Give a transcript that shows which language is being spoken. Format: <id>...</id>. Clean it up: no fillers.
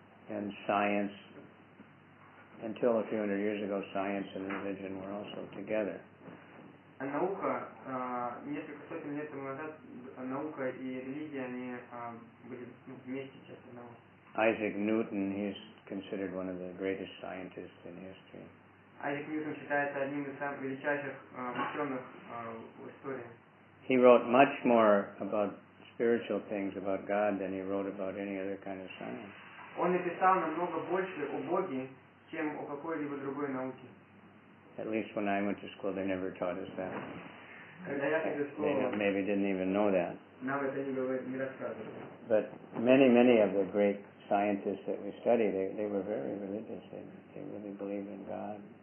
<en>And science, until a few hundred years ago, science and religion were also together.</en> <ru>А наука, несколько сотен лет тому назад, наука и религия, они были вместе, часть одного.</ru> <en>Isaac Newton, he's considered one of the greatest scientists in history.</en> <ru>Isaac Newton считается одним из самых величайших ученых в истории.</ru> <en>He wrote much more about spiritual things, about God, than he wrote about any other kind of science.</en> <ru>Он написал намного больше о Боге, чем о какой-либо другой науке.</ru> <en>At least when I went to school, they never taught us that. They maybe didn't even know that. Now it's in the But many, many of the great scientists that we study, they were very religious. They really believed in God.</en>